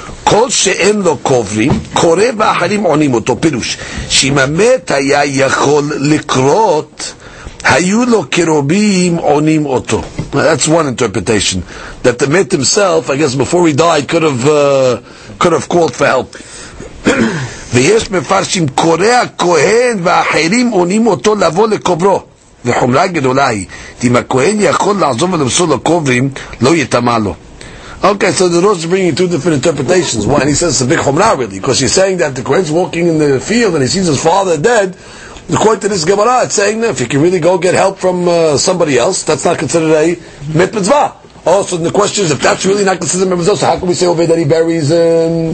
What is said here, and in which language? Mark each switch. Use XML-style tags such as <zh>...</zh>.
<he>כל שאין לו קוברים, קורא באחרים עונים אותו פירוש. שאם המת היה יכול לקרות, היו לו קרובים עונים אותו.</he> <en>That's one interpretation. That the met himself, I guess before he died, could have called for help.</en> <he>ויש מפרשים, קורא הכהן ואחרים עונים אותו לבוא לקוברו. וחומרה גדולה היא, אם הכהן יכול לעזוב ולמסור לו קוברים, לא יתאמה לו.</he> <en>Okay, so the Rosh is bringing two different interpretations. One, he says it's a big chumrah, really, because he's saying that the Kohen's walking in the field and he sees his father dead. According to this Gemara, it's saying that if you can really go get help from somebody else, that's not considered a mit mitzvah. Also, the question is, if that's really not considered a mit mitzvah, so how can we say over that he buries in?</en>